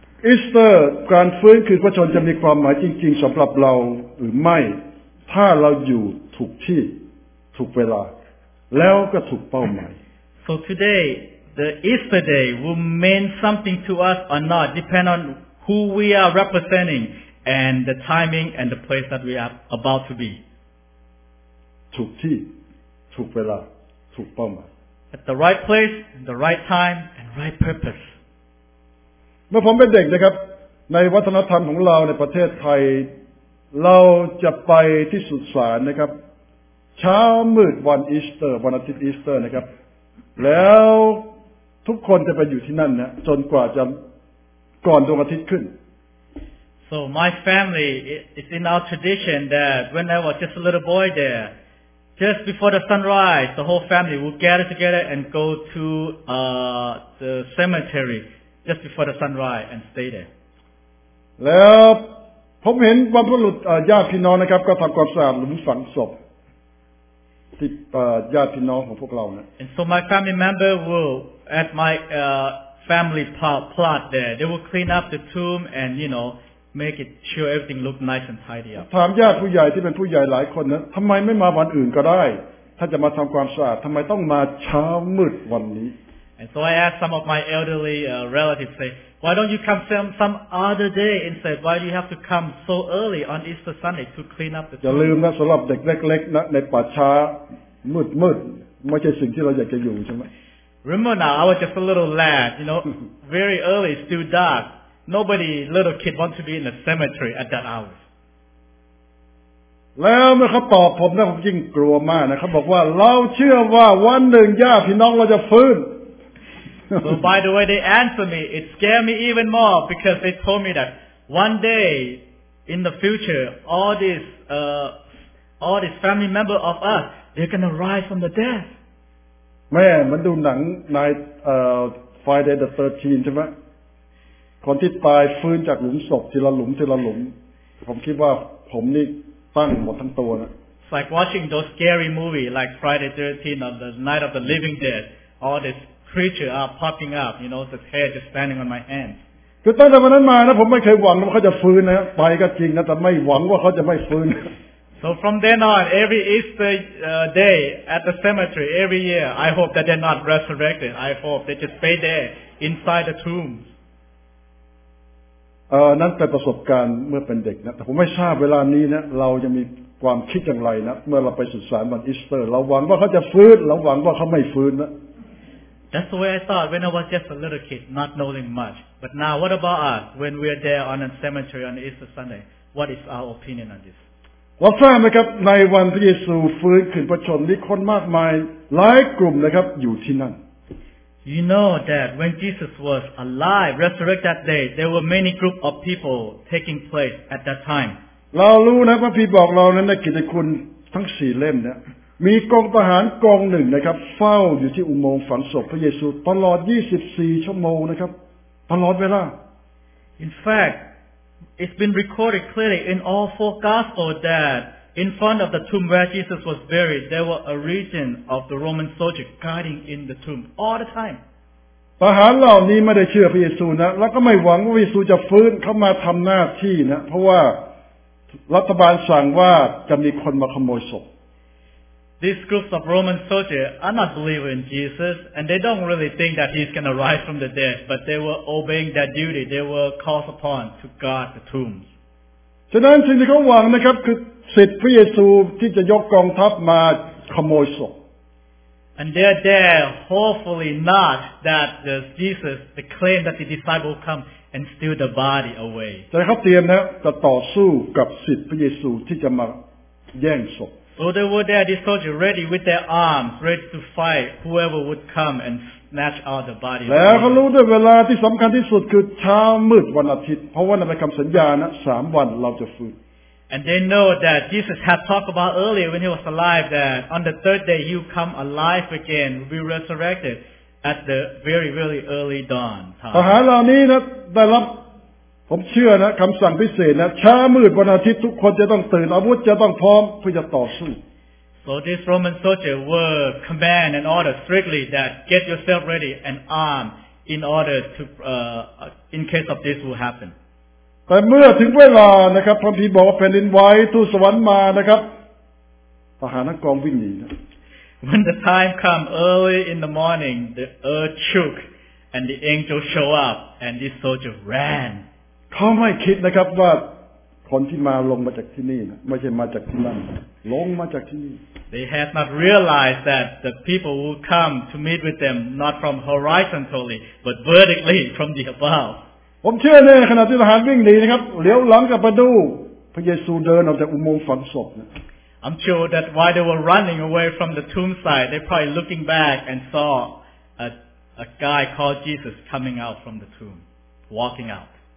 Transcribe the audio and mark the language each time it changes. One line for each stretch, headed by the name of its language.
Thai: Easter การฟื้นคืนพระชนจะมีความหมายจริงๆสำหรับเราหรือไม่ถ้าเราอยู่ถูกที่ถูกเวลาแล้วก็ถูกเป้าหมาย
English: So today the Easter day will mean something to us or not depend on who we are representing and the timing and the place that we are about to be
Thai: ถูกที่ถูกเวลาถูกเป้าหมาย
English: at the right place the right time and right purpose
Thai: เมื่อผมเป็นเด็กนะครับในวัฒนธรรมของเราในประเทศไทยเราจะไปที่สุสานนะครับเช้ามืดวันอีสเตอร์วันอาทิตย์อีสเตอร์นะครับแล้วทุกคนจะไปอยู่ที่นั่นนะจนกว่าจะก่อนดวงอาทิตย์ขึ้น
English: So my family it's in our tradition that when I was just a little boy there just before the sunrise the whole family would gather together and go to the cemeteryjust before the sunrise and stay there
Thai: แล้วผมเห็นบรรพบุรุษญาติพี่น้องนะครับก็ทำความสะอาดหลุมฝังศพที่ญาติพี่น้องของพวกเรานะ
English: And so my family member will at my family plot there they will clean up the tomb and you know make it sure everything look nice and tidy up
Thai: ถามญาติผู้ใหญ่ที่เป็นผู้ใหญ่หลายคนนะทำไมไม่มาวันอื่นก็ได้ถ้าจะมาทำความสะอาดทำไมต้องมาเช้ามืดวันนี้
English: And so I asked some of my elderly relatives, say, why don't you come some other day instead? Why do you have to come so early on Easter Sunday to clean up the tomb? อ
Thai: ย่าลืมนะสำหรับเด็กเล็กๆนะในป่าช้ามืดๆไม่ใช่สิ่งที่เราอยากจะอยู่ใช่ไหม
English: Remember now, I was just a little lad, you know, very early, still dark. Nobody, little kid, wants to be in a cemetery at that hour.
Thai: แล้วเมื่อเขาตอบผมนะผมยิ่งกลัวมากนะเขาบอกว่าเราเชื่อว่าวันหนึ่งญาติพี่น้องเราจะฟื้น
English: So by the way, they answered me. It scared me even more because they told me that one day in the future, all this family member of us, they're gonna rise from the dead.
Thai: Man, มันดูหนังใน Friday the 13th ใช่ไหมคนที่ตายฟื้นจากหลุมศพทีละหลุมทีละหลุมผมคิดว่าผมนี่ตั้งหมดทั้งตัวนะ
English: It's like watching those scary movie like Friday the 13th or the Night of the Living Dead. All thisCreature are popping up, you know, the hair just standing on my hands.
Thai: คือตั้งแต่วันนั้นมานะผมไม่เคยหวังว่าเขาจะฟื้นนะไปก็จริงนะแต่ไม่หวังว่าเขาจะไม่ฟื้น
English: So from then on, every Easter day at the cemetery every year, I hope that they're not resurrected. I hope they just stay there inside the tombs.
Thai: นั่นเป็นประสบการณ์เมื่อเป็นเด็กนะแต่ผมไม่ทราบเวลานี้นะเรายังมีความคิดอย่างไรนะเมื่อเราไปสุสานวันอีสเตอร์เราหวังว่าเขาจะฟื้นเราหวังว่าเขาไม่ฟื้นนะ
English: That's the way I thought when I was just a little kid, not knowing much. But now, what about us when we are there on a cemetery on Easter Sunday? What is our opinion on this? Well, friend,
Thai: นะครับในวันพระเยซูฟื้นขึ้นพระชนมีคนมากมายหลายกลุ่มนะครับอยู่ที่นั่น
English: You know that when Jesus was alive, resurrected that day, there were many groups of people taking place at that time.
Thai: เรารู้นะพระพี่บอกเรานั้นในกิจคุณทั้งสี่เล่มเนี่ยมีกองทหารกองหนึ่งนะครับเฝ้าอยู่ที่อุโมงค์ฝังศพพระเยซูตลอด24ชั่วโมงนะครับตลอดเวลา
English: In fact it's been recorded clearly in all four gospels that in front of the tomb where Jesus was buried there were a region of the Roman soldiers guarding in the tomb all the time
Thai: ทหารเหล่านี้ไม่ได้เชื่อพระเยซูนะแล้วก็ไม่หวังว่าพระเยซูจะฟื้นเข้ามาทำหน้าที่นะเพราะว่ารัฐบาลสั่งว่าจะมีคนมาขโมยศพ
English: These groups of Roman soldiers are not believing in Jesus, and they don't really think that he's going to rise from the dead, but they were obeying their duty. They were called upon to guard the tombs.
Thai: ฉะนั้นสิ่งที่เขาหวังนะครับคือสิทธิ์พระเยซูที่จะยกกองทัพมาขโมยศพ
English: And they're there, hopefully not that Jesus, the claim that the disciple come and steal the body away.
Thai: ฉะนั้นเขาเตรียมนะจะต่อสู้กับสิทธิ์พระเยซูที่จะมาแย่งศพ
English: So they were there, these soldiers, ready with their arms, ready to fight whoever would come and snatch out the body.
Thai: แล้วเขารู้ด้วยเวลาที่สำคัญที่สุดคือเช้ามืดวันอาทิตย์เพราะว่าในคำสัญญานะสามวันเราจะฟื้น
English: And they know that Jesus had talked about earlier when he was alive that on the third day he would come alive again, would be resurrected at the very, very early dawn time.
Thai: ทหารเหล่านี้นะได้รับผมเชื่อนะคำสั่งพิเศษนะช้ามืดวันอาทิตย์ทุกคนจะต้องตื่นอาวุธจะต้องพร้อมเพื่อจะต่อสู้
English: So these Roman soldiers were command and order strictly that get yourself ready and armed in order to in case of this will happen.
Thai: แต่เมื่อถึงเวลานะครับพระพีบอกว่าแผ่นดินไหวทูตสวรรค์มานะครับทหารนักกองวิ่งหนี
English: When the time come early in the morning, the earth shook, and the angel show up, and this soldier ran.
Thai: เขาไม่คิดนะครับว่าคนที่มาลงมาจากที่นี่ไม่ใช่มาจากที่นั่นลงมาจากที่นี่
English: They had not realized that the people who come to meet with them not from horizontally but vertically from the above
Thai: ผมเชื่อแน่ขณะที่ทหารวิ่งหนีนะครับเหลียวหลังกลับมาดูพระเยซูเดินออกจากอุโมงค์ฝังศพ
English: I'm sure that while they were running away from the tomb site they probably looking back and saw a guy called Jesus coming out from the tomb walking out